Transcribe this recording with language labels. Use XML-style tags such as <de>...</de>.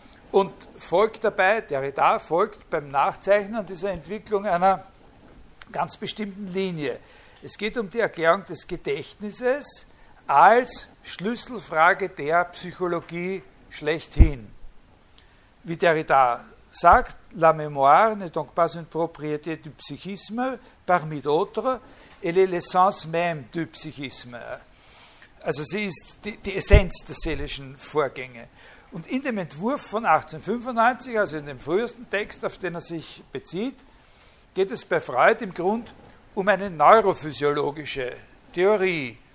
<de>Und folgt dabei, Derrida folgt beim Nachzeichnen dieser Entwicklung einer ganz bestimmten Linie. Es geht um die Erklärung des Gedächtnisses als Schlüsselfrage der Psychologie schlechthin. Wie Derrida sagt,</de> <fr>la mémoire n'est donc pas une propriété du psychisme, parmi d'autres, elle est l'essence même du psychisme.</fr> <de>Also sie ist die Essenz der seelischen Vorgänge. Und in dem Entwurf von 1895, also in dem frühesten Text, auf den er sich bezieht, geht es bei Freud im Grund um eine neurophysiologische Theorie.</de>